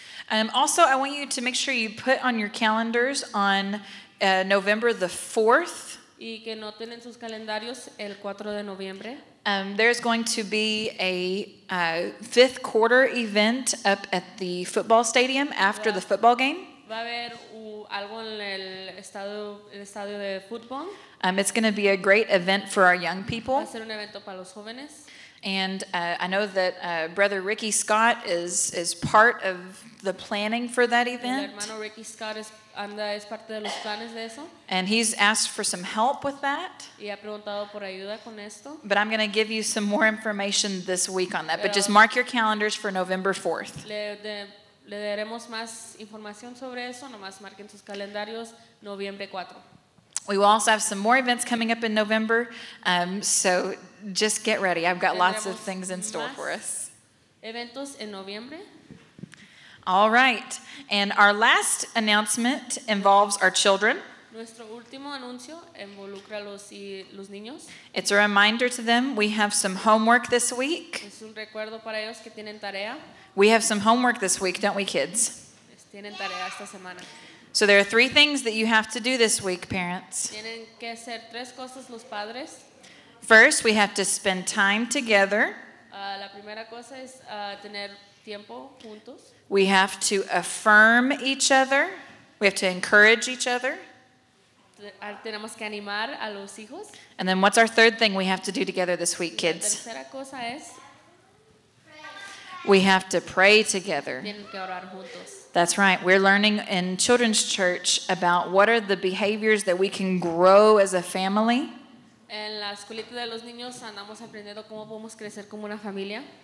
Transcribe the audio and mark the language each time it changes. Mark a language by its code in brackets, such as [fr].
[en] Also, I want you to make sure you put on your calendars on November the 4th. [es] Y que no tienen sus calendarios el 4 de noviembre. [en] There's going to be a fifth quarter event up at the football stadium after the football game. [es] Va a haber algo en el el estadio de fútbol. [en] It's going to be a great event for our young people. [es] Va a ser un evento para los jóvenes. [en] And I know that Brother Ricky Scott is part of the planning for that event. [es] El hermano Ricky Scott es parte de los planes de eso. [en] And he's asked for some help with that. [es] Y ha preguntado por ayuda con esto. [en] But I'm going to give you some more information this week on that. Pero, but just mark your calendars for November 4th. [es] Le daremos más información sobre eso. Nomás marquen sus calendarios noviembre 4. [en] We will also have some more events coming up in November. So just get ready. I've got lots of things in store for us. [es] Eventos en noviembre. [en] All right. And our last announcement involves our children. [es] Nuestro último anuncio involucra los niños. [en] It's a reminder to them we have some homework this week. [es] Es un recuerdo para ellos que tienen tarea. [en] We have some homework this week, don't we, kids? [es] Tienen tarea esta semana. [en] So there are three things that you have to do this week, parents. [es] Tienen que hacer tres cosas los padres. [en] First, we have to spend time together. [es] La primera cosa es tener tiempo juntos. [en] We have to affirm each other. We have to encourage each other. [es] Tenemos que animar a los hijos. [en] And then what's our third thing we have to do together this week, kids? [es] La tercera cosa es... [en] We have to pray together. [es] Tienen que orar juntos. [en] That's right. We're learning in Children's Church about what are the behaviors that we can grow as a family. [es] En la escuelita de los niños andamos aprendiendo cómo podemos crecer como una familia.